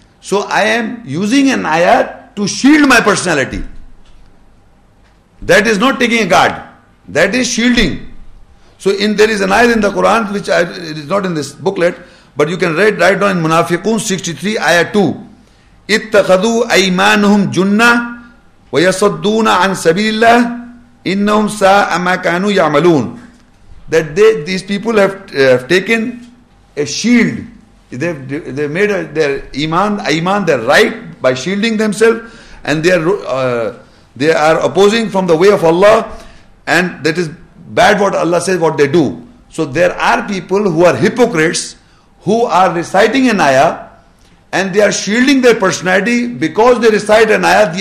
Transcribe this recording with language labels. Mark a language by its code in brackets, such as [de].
[en] So I am using an ayah to shield my personality. That is not taking a guard. That is shielding. So there is an ayah in the Quran, it is not in this booklet, but you can write down in Munafiqun 63, ayah 2. [ar] اتخذوا أيمانهم جنة ويصدون عن سبيل الله إنهم ساء ما كانوا يعملون. [en] That these people have taken a shield. They made their iman their right by shielding themselves, and they are opposing from the way of Allah, and that is bad what Allah says what they do. So there are people who are hypocrites who are reciting an ayah and they are shielding their personality because they recite an ayah.